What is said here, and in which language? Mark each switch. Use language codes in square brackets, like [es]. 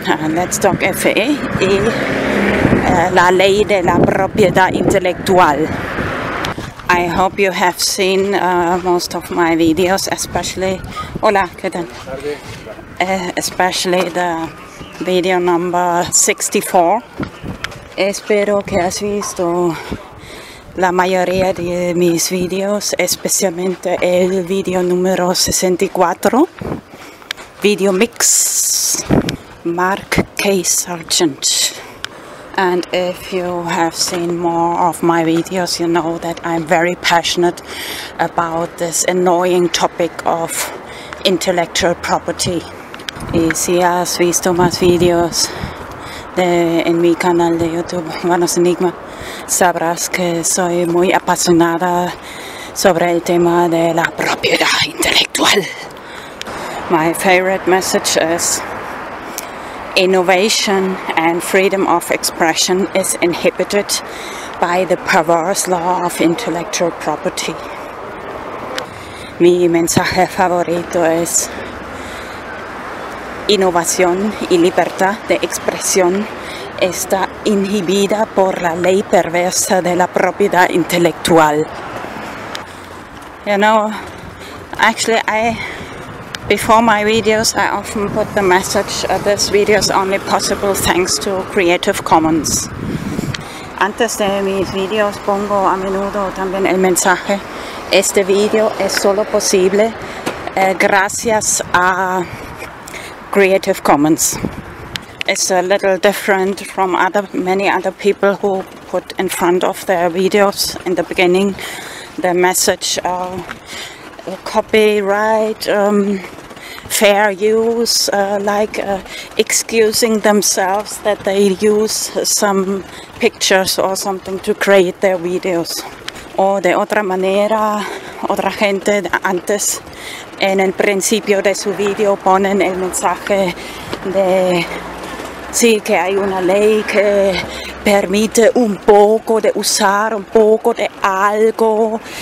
[en] Let's talk [es] FE y la ley de la propiedad intelectual. [en] I hope you have seen most of my videos, especially. [es] Hola, ¿qué tal? [en] Especially the video number 64. [es] Espero que has visto la mayoría de mis videos, especialmente el video número 64, VideoMix, Mark K. Sargent. [en] And if you have seen more of my videos, you know that I'm very passionate about this annoying topic of intellectual property. [es] Y si has visto más videos en mi canal de YouTube, VanosEnigmA, sabrás que soy muy apasionada sobre el tema de la propiedad intelectual. [en] My favorite message is innovation and freedom of expression is inhibited by the perverse law of intellectual property. [es] Mi mensaje favorito es innovación y libertad de expresión está inhibida por la ley perversa de la propiedad intelectual. [en] You know, actually before my videos, I often put the message this video is only possible thanks to Creative Commons. [es] Antes de mis videos pongo a menudo también el mensaje: este video es solo posible gracias a Creative Commons. [en] It's a little different from many other people who put in front of their videos in the beginning the message copyright, fair use, excusing themselves that they use some pictures or something to create their videos. [es] O de otra manera, otra gente antes, en el principio de su video, ponen el mensaje de sí, que hay una ley que permite un poco de usar, un poco de algo.